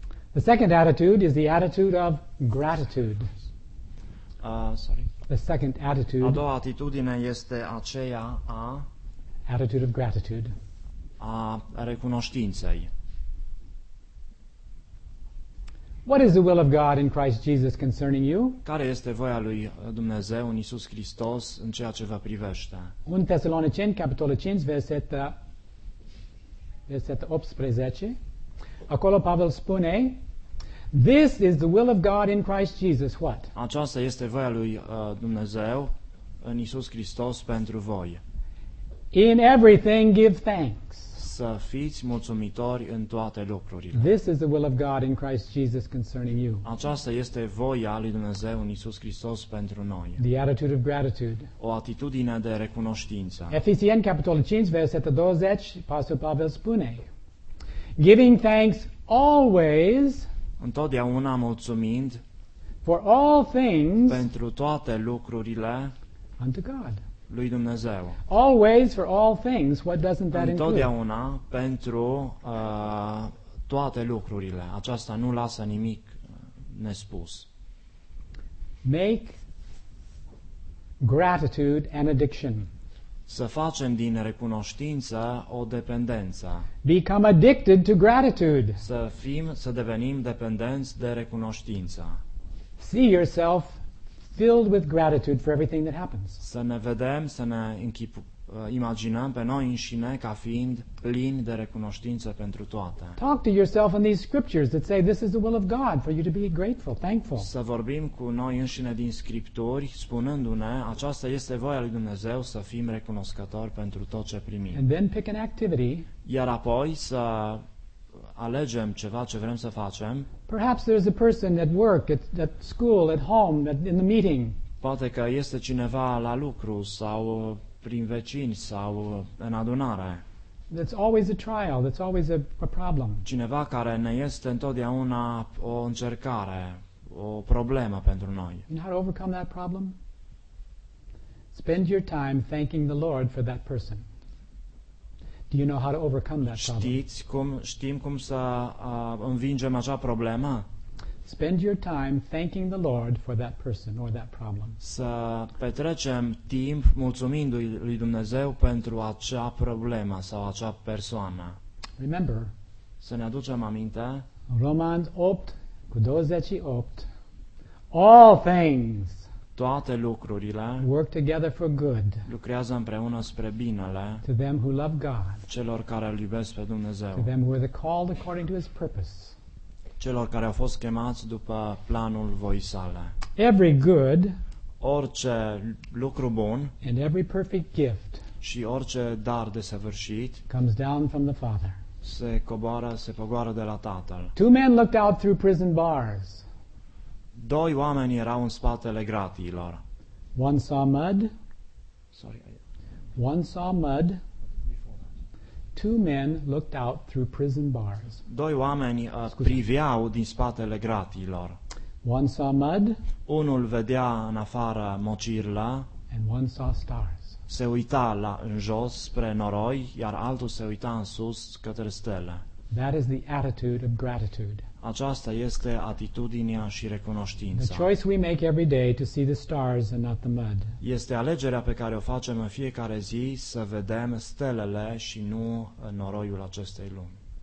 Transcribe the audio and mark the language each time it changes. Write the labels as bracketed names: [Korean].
[English] The second attitude is the attitude of gratitude. The second attitude. [Romanian] A doua atitudine este aceea a [English] attitude of gratitude. [Romanian] A recunoștinței. [English] What is the will of God in Christ Jesus concerning you? [Romanian] Care este voia lui Dumnezeu în Iisus Hristos în ceea ce vă privește? 1 Tesaloniceni, capitolul 5, versetul 18. Acolo Pavel spune, [English] this is the will of God in Christ Jesus. What? [Romanian] Aceasta este voia lui Dumnezeu în Iisus Hristos pentru voi. [English] In everything give thanks. [Romanian] Să fiți mulțumitori în toate lucrurile. [English] This is the will of God in Christ Jesus concerning you. [Romanian] Aceasta este voia lui Dumnezeu în Iisus Hristos pentru noi. [English] The attitude of gratitude. [Romanian] O atitudine de recunoștință. Efesieni capitolul 5 versetul 20, Pastor Pavel spune, [English] giving thanks always. [Romanian] Întotdeauna mulțumind. [English] For all things. [Romanian] Pentru toate lucrurile. [English] Unto God. [Romanian] Lui Dumnezeu. [English] Always for all things. What doesn't that include? [Romanian] Întotdeauna pentru toate lucrurile. Aceasta nu lasă nimic nespus. [English] Make gratitude an addiction. [Romanian] Să facem din recunoștință o dependență. [English] Become addicted to gratitude. [Romanian] Să devenim dependenți de recunoștință. [English] See yourself filled with gratitude for everything that happens. [Romanian] Să ne vedem, să ne imaginăm pe noi înșine ca fiind plini de recunoștință pentru toate. [English] Talk to yourself in these scriptures that say this is the will of God for you to be grateful, thankful. [Romanian] Să vorbim cu noi înșine din scripturi, spunându-ne, aceasta este voia lui Dumnezeu să fim recunoscători pentru tot ce primim. [English] And then pick an activity. [Romanian] Iar apoi să alegem ceva ce vrem să facem. [English] Perhaps there's a person at work, at school, at home, in the meeting. [Romanian] Poate că este cineva la lucru sau prin vecini sau în adunare. [English] That's always a trial, that's always a problem. [Romanian] Cineva care ne este întotdeauna o încercare, o problemă pentru noi. [English] You know how to overcome that problem? Spend your time thanking the Lord for that person. Do you know how to overcome that problem? [Romanian] Știm cum să învingem acea problemă? [English] Spend your time thanking the Lord for that person or that problem. [Romanian] Să petrecem timp mulțumindu-i lui Dumnezeu pentru acea problemă sau acea persoană. [English] Remember, [Romanian] să ne aducem aminte. [English] Romans 8:28. All things. [Romanian] Toate lucrurile [English] work together for good. [Romanian] Lucrează împreună spre binele. [English] To them who love God. [Romanian] Celor care îl iubesc pe Dumnezeu. [English] To them who are called according to his purpose. [Romanian] Celor care au fost chemați după planul voi sale. [English] Every good, [Romanian] orice lucru bun, [English] and every perfect gift, [Romanian] și orice dar desăvârșit, [English] comes down from the Father. [Romanian] Se pogoară de la Tatăl. [English] Two men looked out through prison bars. [Romanian] Doi oameni erau în spatele gratiilor. [English] One saw mud. Sorry. One saw mud. Two men looked out through prison bars. [Romanian] Doi oameni priveau din spatele gratiilor. [English] One saw mud. [Romanian] Unul vedea în afară mocirla. [English] And one saw stars. [Romanian] Se uita în jos spre noroi, iar altul se uita în sus către stele. [English] That is the attitude of gratitude. [Romanian] Aceasta este atitudinea și recunoștința. [English] The choice we make every day to see the stars and not the mud. [Romanian] Este alegerea pe care o facem în fiecare zi să vedem stelele și nu noroiul acestei lumi.